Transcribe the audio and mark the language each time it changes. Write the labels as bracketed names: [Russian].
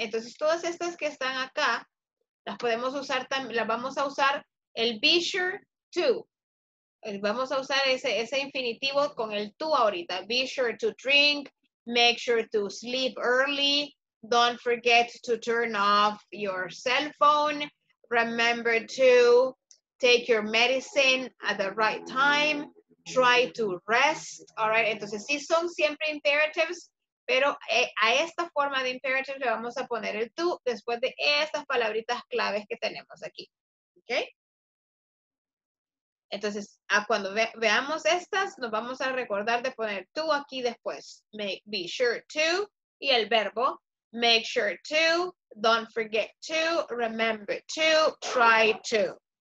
[Spanish] Entonces, todas estas que están acá, las podemos usar, las vamos a usar el be sure to. Vamos a usar ese infinitivo con el to ahorita. [English] Be sure to drink, make sure to sleep early, don't forget to turn off your cell phone, remember to take your medicine at the right time, try to rest, all right? [Spanish] Entonces, sí son siempre imperatives, pero a esta forma de imperatives le vamos a poner el tú después de estas palabritas claves que tenemos aquí, ¿ok? Entonces, cuando veamos estas, nos vamos a recordar de poner tú aquí después. [English] Be sure to [Spanish] y el verbo, [English] make sure to, don't forget to, remember to, try to.